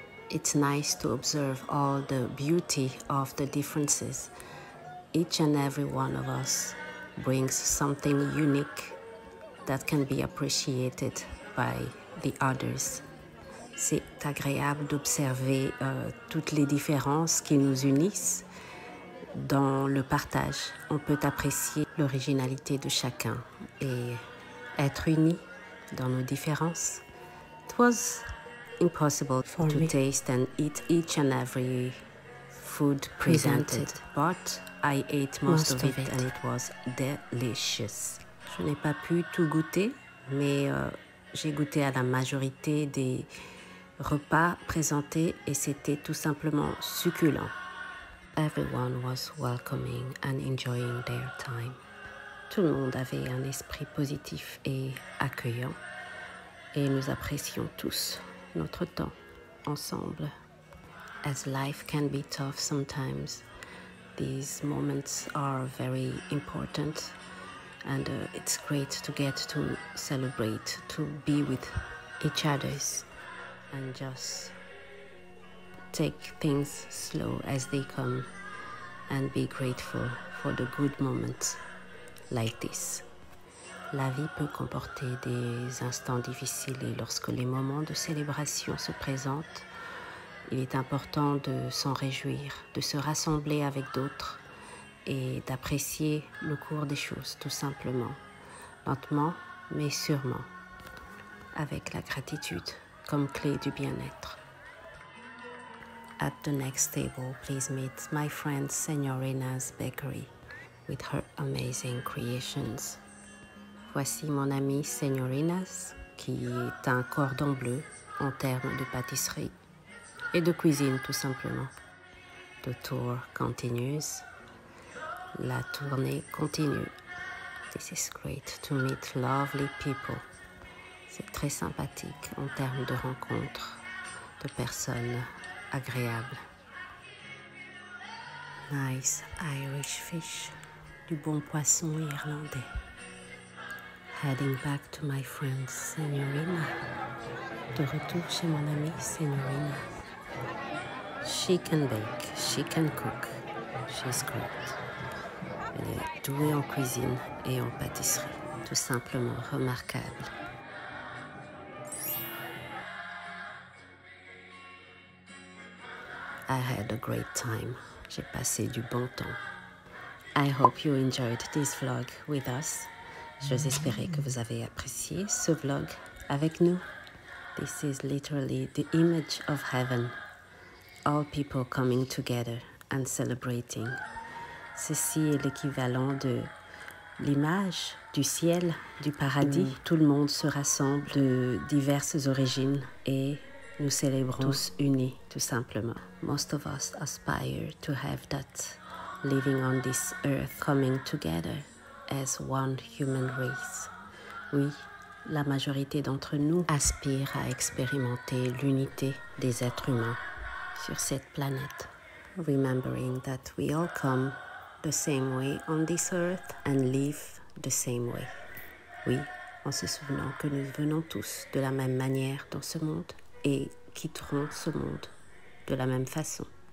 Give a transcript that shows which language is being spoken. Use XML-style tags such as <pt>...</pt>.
<en>It's nice to observe all the beauty of the differences. Each and every one of us brings something unique that can be appreciated by the others.</en> <fr>C'est agréable d'observer toutes les différences qui nous unissent dans le partage. On peut apprécier l'originalité de chacun et être unis dans nos différences.</fr> <en>It was impossible for to me. Taste and eat each and every food presented, but I ate most of it and it was delicious.</en> <fr>Je n'ai pas pu tout goûter, mais j'ai goûté à la majorité des repas présentés et c'était tout simplement succulent.</fr> <en>Everyone was welcoming and enjoying their time.</en> <fr>Tout le monde avait un esprit positif et accueillant. Et nous apprécions tous notre temps ensemble.</fr> <en>As life can be tough sometimes, these moments are very important. And it's great to get to celebrate, to be with each other and just take things slow as they come and be grateful for the good moments like this.</en> <fr>La vie peut comporter des instants difficiles et lorsque les moments de célébration se présentent, il est important de s'en réjouir, de se rassembler avec d'autres et d'apprécier le cours des choses, tout simplement, lentement mais sûrement, avec la gratitude comme clé du bien-être.</fr> <en>At the next table, please meet my friend Seniorina's bakery with her amazing creations.</en> <fr>Voici mon amie Seniorina's, qui est un cordon bleu en termes de pâtisserie et de cuisine, tout simplement.</fr> <en>The tour continues.</en> <fr>La tournée continue.</fr> <en>This is great to meet lovely people.</en> <fr>C'est très sympathique en termes de rencontres de personnes agréables.</fr> <en>Nice Irish fish.</en> <fr>Du bon poisson irlandais.</fr> <en>Heading back to my friend Seniorina.</en> <fr>De retour chez mon amie Seniorina.</fr> <en>She can bake, she can cook. She's great.</en> <fr>Elle est douée en cuisine et en pâtisserie. Tout simplement remarquable.</fr> <en>I had a great time.</en> <fr>J'ai passé du bon temps.</fr> <en>I hope you enjoyed this vlog with us.</en> <fr>J'ose espérer que vous avez apprécié ce vlog avec nous.</fr> <en>This is literally the image of heaven. All people coming together and celebrating.</en> <fr>Ceci est l'équivalent de l'image du ciel, du paradis. Mmh. Tout le monde se rassemble de diverses origines et nous célébrons tous unis, tout simplement.</fr> <en>Most of us aspire to have that, living on this earth, coming together as one human race.</en> <fr>Oui, la majorité d'entre nous aspire à expérimenter l'unité des êtres humains sur cette planète.</fr> <en>Remembering that we all come the same way on this earth and live the same way. Oui,</en> <fr>en se souvenant que nous venons tous de la même manière dans ce monde et quitterons ce monde de la même façon.</fr>